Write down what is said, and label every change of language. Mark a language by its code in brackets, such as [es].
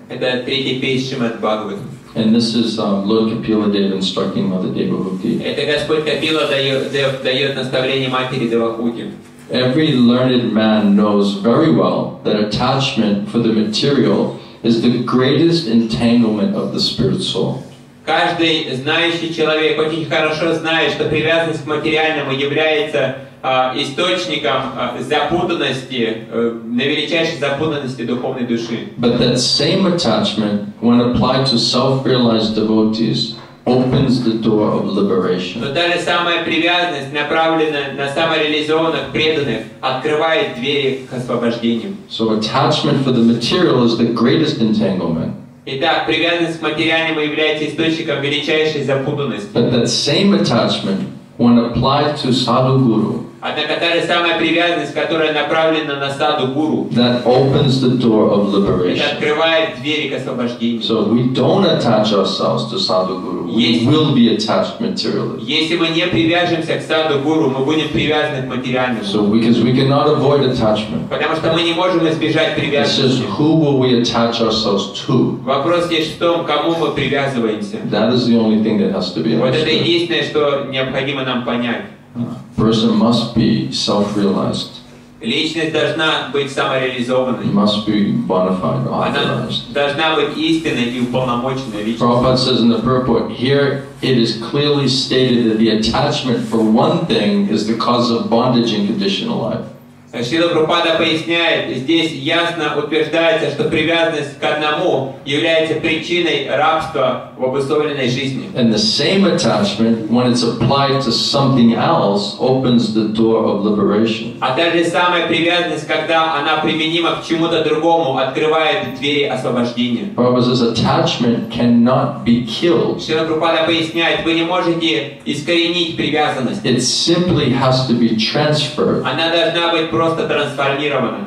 [ru] Это третий пейс Шримад Бхагаватам. [en] And this is Lord Kapila Dev instructing Mother Devahuti. [ru] Это Господь Капила дает наставление матери Девахути. [en] Every learned man knows very well that attachment for the material is the greatest entanglement of the spirit soul. [ru] Каждый знающий человек очень хорошо знает, что привязанность к материальному является источником запутанности, величайшей запутанности духовной души. [en] But that same attachment, when applied to self-realized devotees, opens the door of liberation. [ru] Но та же самая привязанность, направленная на самореализованных преданных, открывает двери к освобождению. [en] So attachment for the material is the greatest entanglement. [ru] Итак, привязанность к материальному является источником величайшей запутанности. [en] But that same attachment, when applied to sadhu guru, [ru] однако та же самая привязанность, которая направлена на саду гуру, [en] that opens the door of liberation. [ru] Это открывает двери к освобождению. [en] So we don't attach ourselves to sadhu guru. We will be attached materially. [ru] Если мы не привяжемся к саду гуру, мы будем привязаны к материальному. [en] So because we cannot avoid attachment. [ru] Потому что мы не можем избежать привязанности. [en] It's just, who will we attach ourselves to? [ru] Вопрос есть в том, кому мы привязываемся. [en] That is the only thing that has to be understood. [ru] Вот это единственное, что необходимо нам понять. [en] Person must be self-realized. [ru] Личность должна быть самореализованной. [en] Must be bona fide, authorized. [ru] Должна быть истинной и уполномоченной личностью. [en] Prabhupada says in the purport, here it is clearly stated that the attachment for one thing is the cause of bondage in conditional life. [ru] Шрила Прабхупада поясняет, здесь ясно утверждается, что привязанность к одному является причиной рабства в обусловленной жизни. [en] And the same attachment, when it's applied to something else, opens the door of liberation. [ru] А та же самая привязанность, когда она применима к чему-то другому, открывает двери освобождения. [en] Prabhupada says attachment cannot be killed. [ru] Шрила Прабхупада поясняет, вы не можете искоренить привязанность. [en] It simply has to be transferred. [ru] Она должна быть просто трансформировано.